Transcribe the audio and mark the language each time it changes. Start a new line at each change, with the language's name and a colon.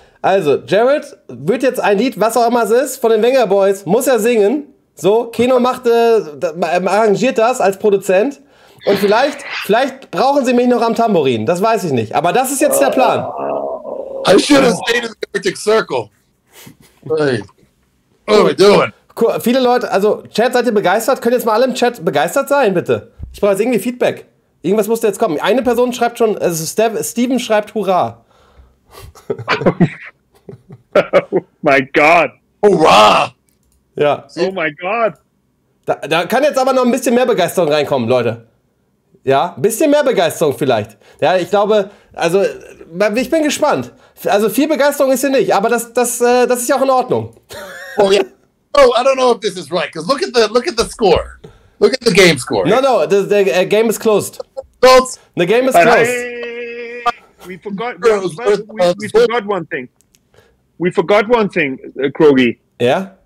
German: Also Jared wird jetzt ein Lied, was auch immer es ist, von den Wenger Boys, muss er singen. So, Kino arrangiert das als Produzent. Und vielleicht brauchen sie mich noch am Tambourin, das weiß ich nicht. Aber das ist jetzt der Plan.
English: I should have stayed in the Arctic Circle. Hey. What are we doing?
German: Cool. Viele Leute, also Chat, seid ihr begeistert? Könnt ihr jetzt mal alle im Chat begeistert sein, bitte? Ich brauche jetzt irgendwie Feedback. Irgendwas musste jetzt kommen. Eine Person schreibt schon, also Steven schreibt Hurra.
English: Oh my God.
German: Hurra! Ja.
English: Oh my God.
German: Da kann jetzt aber noch ein bisschen mehr Begeisterung reinkommen, Leute. Ja, ein bisschen mehr Begeisterung vielleicht. Ja, ich glaube, also ich bin gespannt. Also viel Begeisterung ist hier nicht, aber das ist ja auch in Ordnung.
English: Oh yeah. Oh, I don't know if this is right, because look at the score. Look at the game score. No, the game is closed. The game is closed. We forgot one thing. We forgot one thing, Krogi. Yeah?